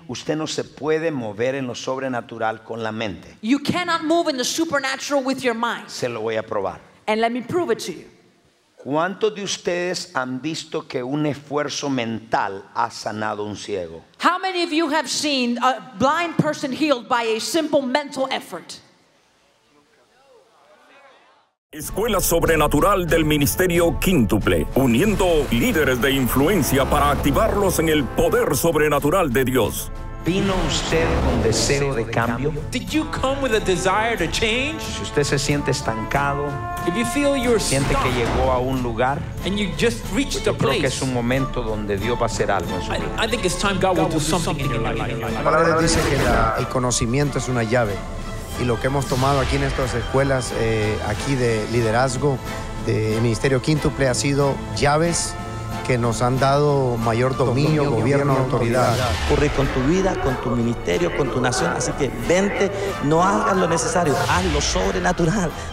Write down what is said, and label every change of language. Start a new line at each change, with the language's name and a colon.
Spanish: Usted no se puede mover en lo sobrenatural con la mente.
English: You cannot move in the supernatural with your mind.
Spanish: Se lo voy a probar.
English: And let me prove it to you.
Spanish: ¿Cuántos de ustedes han visto que un esfuerzo mental ha sanado un ciego?
English: How many of you have seen a blind person healed by a simple mental effort?
Spanish: Escuela Sobrenatural del Ministerio Quíntuple, uniendo líderes de influencia para activarlos en el poder sobrenatural de Dios. ¿Vino usted con deseo de cambio?
English: Did you come with a desire to change?
Spanish: Si usted se siente estancado,
English: if you feel you're
Spanish: siente
English: stuck,
Spanish: que llegó a un lugar,
English: and you just reached a
Spanish: creo
English: place,
Spanish: que es un momento donde Dios va a hacer algo en su vida.
English: I think it's time God will do something in your life.
Spanish: La palabra dice que el conocimiento es una llave. Y lo que hemos tomado aquí en estas escuelas, aquí de liderazgo, de Ministerio Quíntuple, ha sido llaves que nos han dado mayor dominio, gobierno, autoridad. Ocurre con tu vida, con tu ministerio, con tu nación. Así que vente, no hagas lo necesario, haz lo sobrenatural.